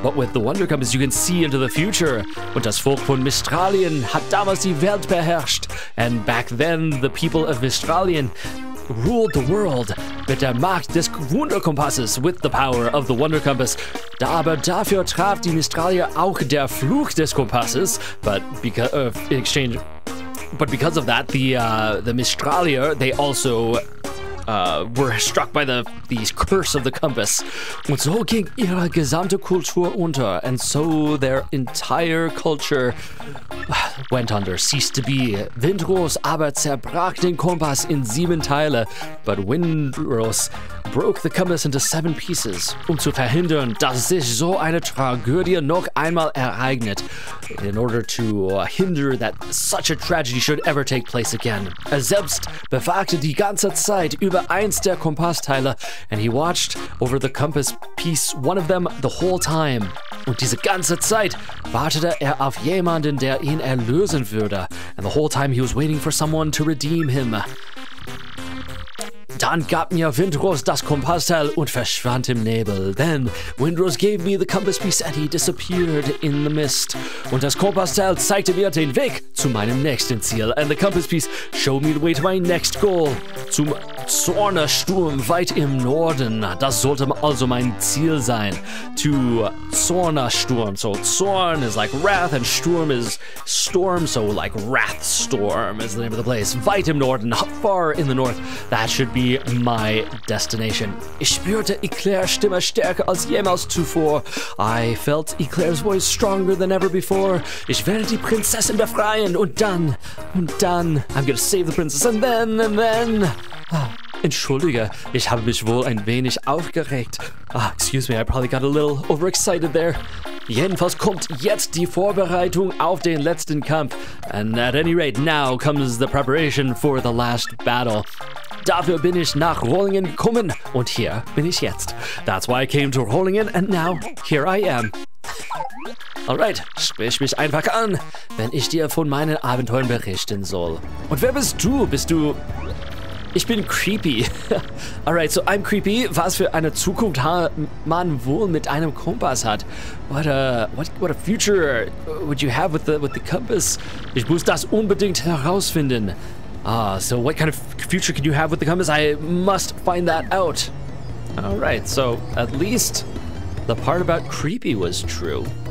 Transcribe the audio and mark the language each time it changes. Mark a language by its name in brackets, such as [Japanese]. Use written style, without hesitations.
[English] But with the Wonder Compass, you can see into the future. [German] Und das Volk von Mistralien hat damals die Welt beherrscht. [English] And back then, the people of Mistralien ruled the world. [German] Mit der Macht des Wunderkompasses, [English] with the power of the Wonder Compass. [German] Da aber dafür traf die Mistralie auch der Fluch des Kompasses. [English] But because, in exchange... But because of that, the Mistralia, they also were struck by the curse of the compass. [German] Und so ging ihre gesamte Kultur unter, [English] and so their entire culture went under, ceased to be. [German] Windros aber zerbrach den Kompass in 7 Teile, [English] but Windros broke the compass into 7 pieces, [German] um zu verhindern, dass sich so eine Tragödie noch einmal ereignet, [English] in order to hinder that such a tragedy should ever take place again. [German] Er selbst bewachte die ganze Zeit über eins der Kompassteile, [English] and he watched over the compass piece, one of them, the whole time. [German] Und diese ganze Zeit wartete er auf jemanden, der ihn erlösen würde, [English] and the whole time he was waiting for someone to redeem him. [German] Dann gab mir Windrose das Kompassteil und verschwand im Nebel. [English] Then Windrose gave me the compass piece and he disappeared in the mist. [German] Und das Kompassteil zeigte mir den Weg zu meinem nächsten Ziel. [English] And the compass piece showed me the way to my next goal. [German] Zum Zornersturm weit im Norden. Das sollte also mein Ziel sein. [English] To Zornersturm. So Zorn is like wrath and Sturm is storm. So like wrath storm is the name of the place. [German] Weit im Norden. [English] Far in the north. That should be my destination. [German] Ich spürte Eclair's Stimme stärker als jemals zuvor. [English] I felt Eclair's voice stronger than ever before. [German] Ich werde die Prinzessin befreien und dann, [English] I'm gonna save the princess and then, [German] entschuldige, ich habe mich wohl ein wenig aufgeregt. [English] Ah, excuse me, I probably got a little overexcited there. [German] Jedenfalls kommt jetzt die Vorbereitung auf den letzten Kampf. [English] And at any rate, now comes the preparation for the last battle. [German] Dafür bin ich nach Rollingen gekommen und hier bin ich jetzt. [English] That's why I came to Rollingen and now here I am. [German] Alright, sprich mich einfach an, wenn ich dir von meinen Abenteuern berichten soll. Und wer bist du? Bist du... Ich bin creepy. [English] Alright, so I'm creepy. [German] Was für eine Zukunft man wohl mit einem Kompass hat. [English] What a future would you have with the compass? [German] Ich muss das unbedingt herausfinden. [English] Ah, so what kind of future can you have with the compass? I must find that out. Alright, so at least the part about creepy was true.